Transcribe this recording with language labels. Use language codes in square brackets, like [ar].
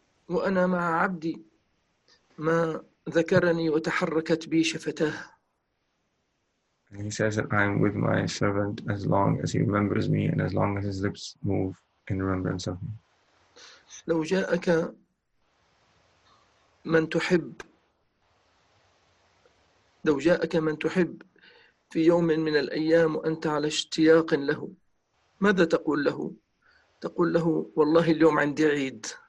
[ar] وأنا مع عبدي ما ذكرني وتحركت بي شفتاه. [en] And he says that I am with my servant as long as he remembers me and as long as his lips move in remembrance of me. [ar] لو جاءك من تحب لو جاءك من تحب في يوم من الأيام وأنت على اشتياق له ماذا تقول له؟ تقول له والله اليوم عندي عيد.